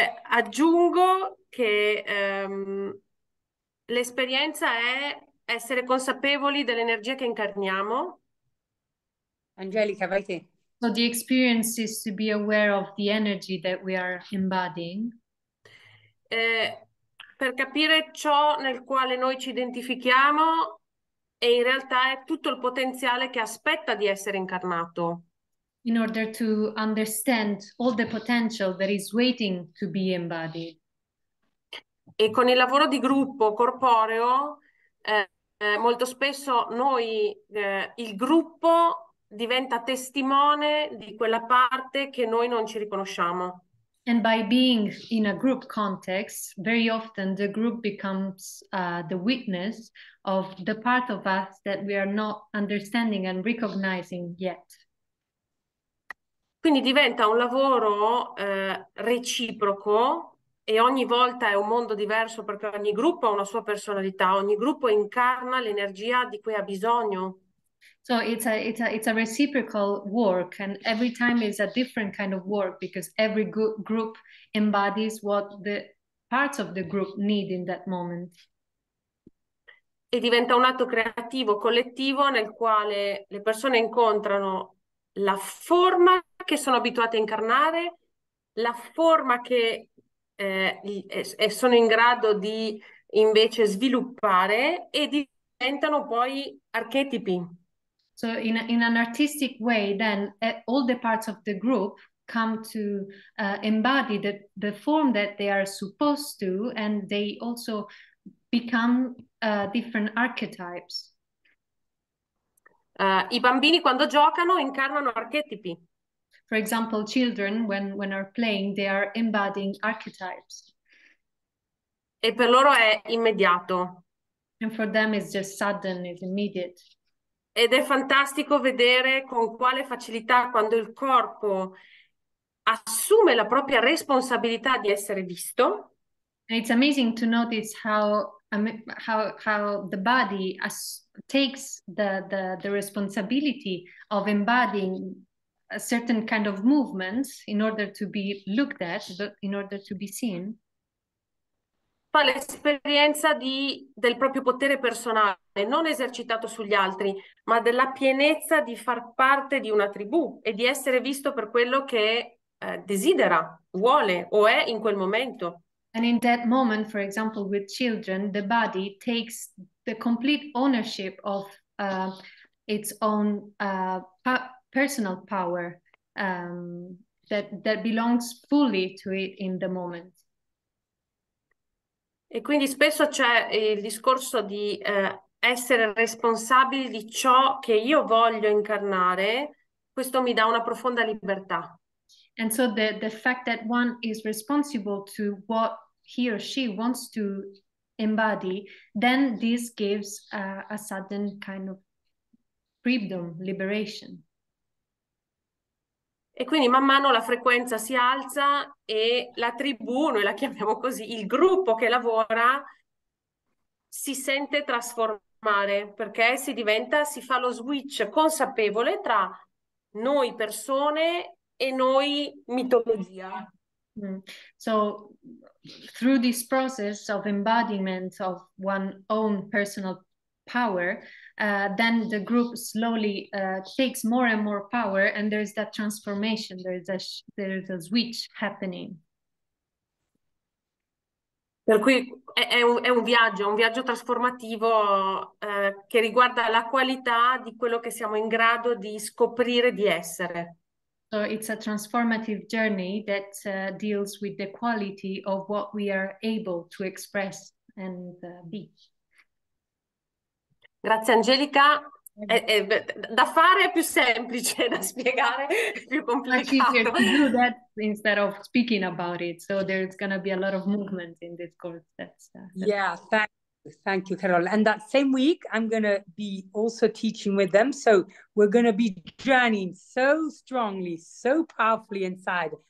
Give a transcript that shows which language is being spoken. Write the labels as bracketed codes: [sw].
[it] Aggiungo che l'esperienza è essere consapevoli dell'energia che incarniamo. Angelica, vai te. [en] So the experience is to be aware of the energy that we are embodying. [it] Per capire ciò nel quale noi ci identifichiamo e in realtà è tutto il potenziale che aspetta di essere incarnato. [en] In order to understand all the potential that is waiting to be embodied. [it] E con il lavoro di gruppo corporeo, molto spesso noi, il gruppo diventa testimone di quella parte che noi non ci riconosciamo. [en] And by being in a group context, very often the group becomes the witness of the part of us that we are not understanding and recognizing yet. [it] Quindi diventa un lavoro reciproco e ogni volta è un mondo diverso perché ogni gruppo ha una sua personalità, ogni gruppo incarna l'energia di cui ha bisogno. [en] So it's a reciprocal work, and every time is a different kind of work because every group embodies what the parts of the group need in that moment. [it] E diventa un atto creativo collettivo nel quale le persone incontrano la forma che sono abituate a incarnare, la forma che sono in grado di invece sviluppare, e diventano poi archetipi. [en] So in an artistic way, then all the parts of the group come to embody the form that they are supposed to, and they also become different archetypes. [it] I bambini quando giocano incarnano archetipi. [en] For example, children, when are playing, they are embodying archetypes. [it] E per loro è immediato. [en] And for them it's just sudden, it's immediate. [it] Ed è fantastico vedere con quale facilità, quando il corpo assume la propria responsabilità di essere visto. [en] It's amazing to notice how the body takes the responsibility of embodying a certain kind of movement in order to be looked at, in order to be seen. [it] Fa l'esperienza del proprio potere personale, non esercitato sugli altri, ma della pienezza di far parte di una tribù e di essere visto per quello che desidera, vuole o è in quel momento. [en] And in that moment, for example, with children, the body takes the complete ownership of its own personal power that belongs fully to it in the moment. [it] E quindi spesso c'è il discorso di essere responsabili di ciò che io voglio incarnare, questo mi dà una profonda libertà. [en] And so the fact that one is responsible to what he or she wants to embody, then this gives a sudden kind of freedom, liberation. [it] E quindi man mano la frequenza si alza e la tribù, noi la chiamiamo così, il gruppo che lavora, si sente trasformare, perché si fa lo switch consapevole tra noi persone e noi mitologia. [en] So through this process of embodiment of one own personal power, then the group slowly takes more and more power, and there's that transformation, there's a switch happening. [it] Per cui è un viaggio trasformativo che riguarda la qualità di quello che siamo in grado di scoprire di essere. [en] So it's a transformative journey that deals with the quality of what we are able to express and be. [it] Grazie Angelica. Da fare è più semplice, da spiegare è più complicato. [en] It's easier to do that instead of speaking about it. So there's going to be a lot of movement in this course. Yeah, thank you, Carole. And that same week, I'm going to be also teaching with them. So we're going to be journeying so strongly, so powerfully inside.